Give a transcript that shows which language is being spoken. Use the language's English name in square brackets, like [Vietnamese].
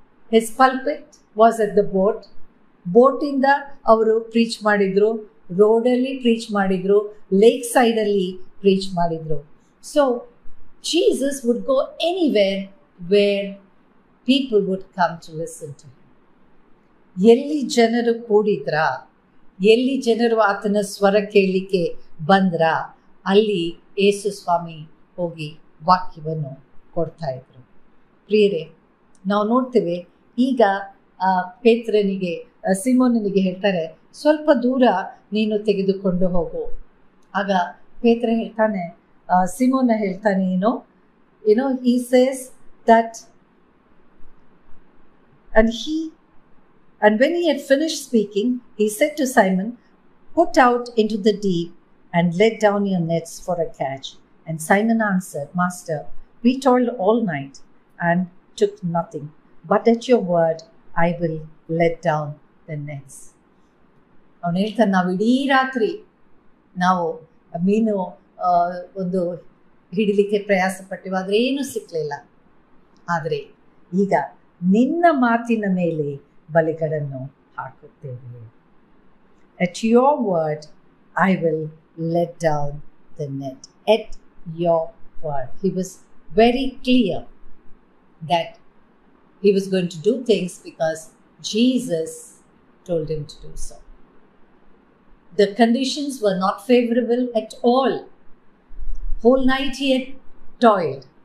[English] His pulpit was at the boat. Boat in the [Kannada] avaru preach madidru, road alli preach madidru, [English] lake side alli preach madidru. So Jesus would go anywhere where people would come to listen to him. [Kannada] ಎಲ್ಲಿ ಜನರು ಕೂಡಿದ್ರ, ಎಲ್ಲಿ ಜನರು ಆತನ ಸ್ವರ ಕೇಳಲಿಕ್ಕೆ ಬಂದ್ರ, ಅಲ್ಲಿ ಯೇಸು ಸ್ವಾಮಿ ಹೋಗಿ ವಾಕ್ಯವನ್ನು ಕೊಡ್ತಾ ಇದ್ರು. ಪ್ರಿಯರೇ, ನಾವು ನೋಡ್ತೇವೆ ಈಗ ಪೇತ್ರನಿಗೆ ಸಿಮೋನನಿಗೆ ಹೇಳ್ತಾರೆ ಸ್ವಲ್ಪ ದೂರ ನೀನು ತೆಗೆದುಕೊಂಡು ಹೋಗು. ಆಗ ಪೇತ್ರ ಹೇಳ್ತಾನೆ, ಸಿಮೋನ ಹೇಳ್ತಾನೆ ಏನೋ ಏನೋ, [English] He says that and he And when he had finished speaking, he said to Simon, put out into the deep and let down your nets for a catch. And Simon answered, Master, we toiled all night and took nothing, but at your word, I will let down the nets. [Kannada] ಅವನು ಹೇಳ್ತಾನೆ, ನಾವು ಇಡೀ ರಾತ್ರಿ ನಾವು ಮೀನು ಒಂದು ಹಿಡಿಲಿಕ್ಕೆ ಪ್ರಯಾಸ ಪಟ್ಟಿವಿ, ಆದರೆ ಏನೂ ಸಿಕ್ಕಲಿಲ್ಲ. ಆದರೆ ಈಗ ನಿನ್ನ ಮಾತಿನ ಮೇಲೆ ಬಲೆಗಳನ್ನು ಹಾಕುತ್ತೇವೆ. [English] At your word I will let down the net. At your word he was very clear that he was going to do things because Jesus told him to do so. The conditions were not favorable at all. Whole night he had toiled.